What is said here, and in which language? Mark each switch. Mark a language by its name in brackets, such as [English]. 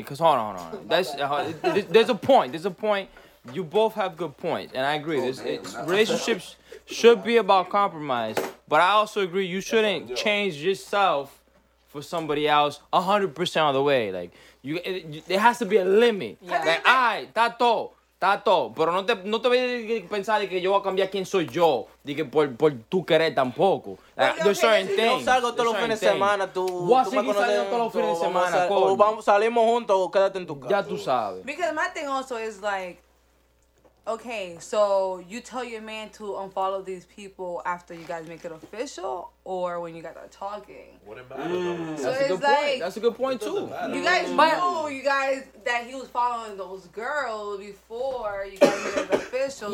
[English] Because hold on. There's a point. You both have good points. And I agree. Relationships should be about compromise. But I also agree you shouldn't change yourself for somebody else 100% of the way. Like, there has to be a limit. Yeah. [Spanish] Like, ay, tato. Pero no te voy a pensar de que yo voy a cambiar quién soy yo. De que por tu querer tampoco. Like, [English] okay, there's certain things. [Spanish] Si yo salgo todos los fines de semana, tú voy a seguir saliendo todos los fines de semana. Salimos juntos o quédate en tu casa. Ya tú sabes. [English] Because my thing also is like, okay, so you tell your man to unfollow these people after you guys make it official or when you guys are talking. What about so that's it's a good like, point. That's a good point, too. You guys knew, you guys, that he was following those girls before you guys made it official.